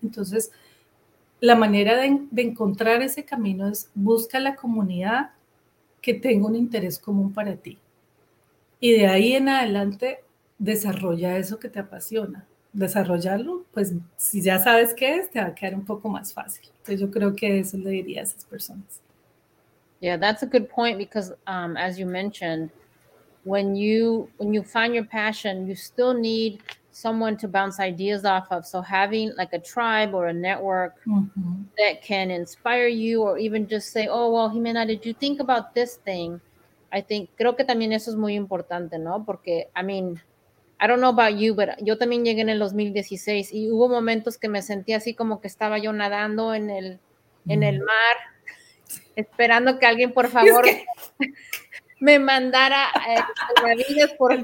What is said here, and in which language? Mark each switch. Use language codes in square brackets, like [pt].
[es] Entonces, la manera de encontrar ese camino es busca la comunidad que tenga un interés común para ti. Y de ahí en adelante, desarrolla eso que te apasiona. Desarrollarlo, pues si ya sabes qué es, te va a quedar un poco más fácil. Entonces yo creo que eso le diría a esas personas. [en] Yeah, that's a good point because as you mentioned, when you find your passion, you still need someone to bounce ideas off of. So having like a tribe or a network that can inspire you or even just say, oh, well, Ximena, did you think about this thing? [es] Creo que también eso es muy importante, ¿no? Porque, [en] I mean, I don't know about you, but [es] yo también llegué en el 2016 y hubo momentos que me sentí así como que estaba yo nadando en el, en el mar, esperando que alguien, por favor, es que me mandara salvavidas, por